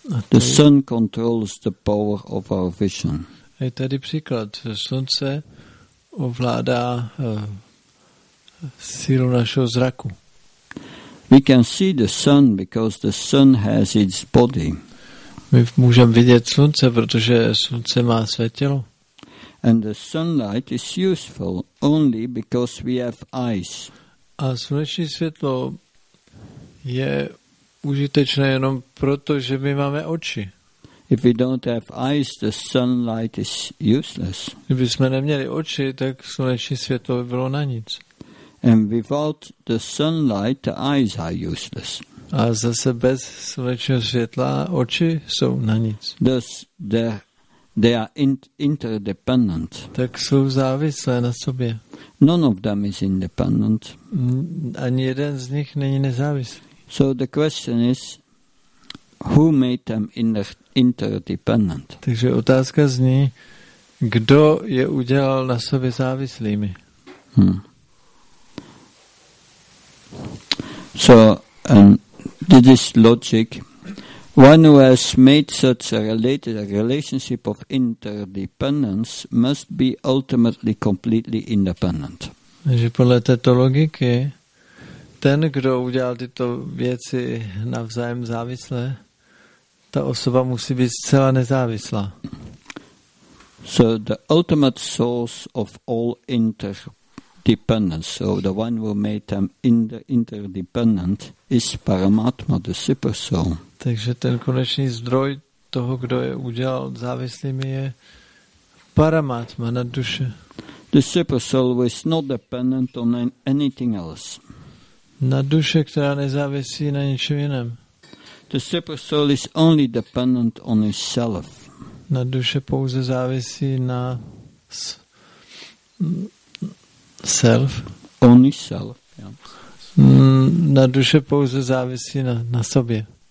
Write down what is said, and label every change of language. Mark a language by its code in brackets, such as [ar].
[en] The sun controls the power of our vision. [cs] Je tady příklad. Slunce ovládá sílu našeho zraku. [en] We can see the sun because the sun has its body. [cs] My můžeme vidět slunce, protože slunce má své tělo. [en] And the sunlight is useful only because we have eyes. [cs] A sluneční světlo je užitečné jenom proto, že my máme oči. [en] If we don't have eyes, the sunlight is useless. [cs] Kdyby jsme neměli oči, tak sluneční světlo by bylo na nic. [en] And without the sunlight, the eyes are useless. [cs] A zase bez slunečního světla oči jsou na nic. [en] Thus, they are interdependent. [cs] Tak jsou závislé na sobě. [en] None of them is independent. [cs] Ani jeden z nich není nezávislý. [en] So the question is, who made them interdependent? [cs] Takže otázka zní, kdo je udělal na sobě závislými? [en] So, this logic, one who has made such a related relationship of interdependence must be ultimately completely independent. [cs] Takže podle této logiky, ten, kdo udělal tyto věci navzájem závislé, ta osoba musí být zcela nezávislá. [en] So the ultimate source of all interdependence, so the one who made them interdependent, is Paramatma, the super soul. [cs] Takže ten konečný zdroj toho, kdo je udělal závislými, je Paramatma, nad duše. [en] The super soul is not dependent on anything else. [cs] Na duše, která nezávisí na ničem jiném. [en] The super soul is only dependent on itself. [cs] Na duše pouze závisí na self. [en] On itself, yeah. [cs] Na duše pouze závisí na sobě.